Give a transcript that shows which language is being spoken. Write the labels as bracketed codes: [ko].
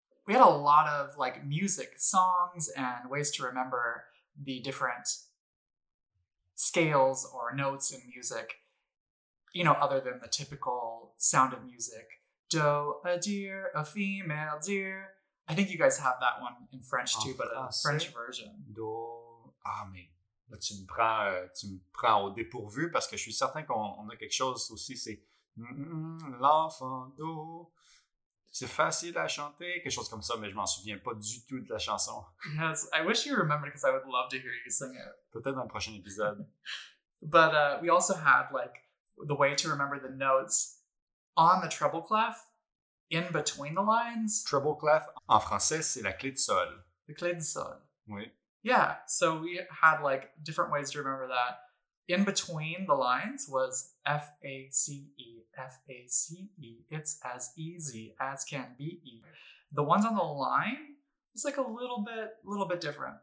[en] we had a lot of like music songs and ways to remember the different scales or notes in music, you know, other than the typical Sound of Music. Do, a deer, a female deer. I think you guys have that one in French too, but a French version. [fr] Do, ah, mais là, tu me prends au dépourvu parce que je suis certain qu'on a quelque chose aussi, c'est l'enfant do. C'est facile à chanter, quelque chose comme ça, mais je m'en souviens pas du tout de la chanson. [en] Yes, I wish you remembered because I would love to hear you sing it. [fr] Peut-être dans le prochain épisode. [en] But we also had like the way to remember the notes on the treble clef, in between the lines. [fr] Treble clef, en français, c'est la clé de sol. [en] The clé de sol. [fr] Oui. [en] Yeah, so we had like different ways to remember that. In between the lines was F-A-C-E, F-A-C-E, it's as easy as can be. The ones on the line, it's like a little bit different.